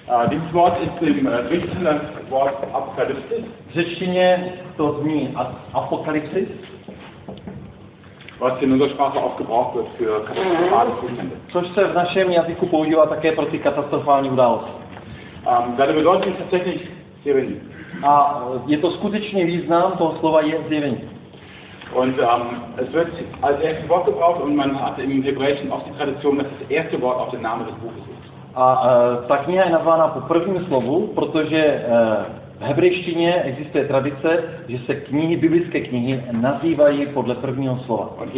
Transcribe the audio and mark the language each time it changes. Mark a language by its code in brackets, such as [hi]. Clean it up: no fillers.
[de] Dieses Wort ist im Griechischen das Wort Apokalypsis. [cs] Řečtině to zní Apokalypsis. [de] Was in unserer Sprache auch gebraucht wird für katastrophale Zustände. [cs] Což se v našem jazyku používá také pro ty katastrofální události. [de] Seine Bedeutung ist tatsächlich zjevení. [cs] A je to skutečný význam toho slova je zjevení. [de] Und es wird als erstes Wort gebraucht und man hat im Hebräischen oft die Tradition, dass das erste Wort auf den Namen des Buches ist. [cs] A ta kniha je nazvána po prvním slovu, protože V hebrejštině existuje tradice, že se knihy, biblické knihy, nazývají podle prvního slova.